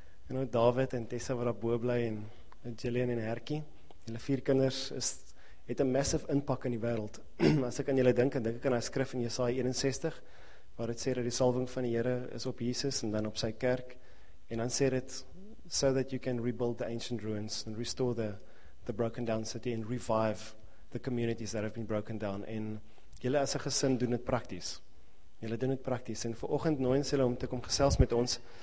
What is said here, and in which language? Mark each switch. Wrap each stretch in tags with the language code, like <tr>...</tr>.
<af>En nou David en Tessa wat daar bo bly en Jillian en Herkie, julle vier kinders is het 'n massive impak in die wêreld. As ek aan julle dink, dink ek aan daai skrif in Jesaja 61. Waar het sê dat die salving van die Here is op Jesus en dan op sy kerk. En dan sê dit,</af> <en>so that you can rebuild the ancient ruins and restore the broken down city and revive the communities that have been broken down.</en> <af>En julle as 'n gesin doen dit prakties. Julle doen dit prakties. En vanoggend nooi ons julle om te kom gesels met ons.</af>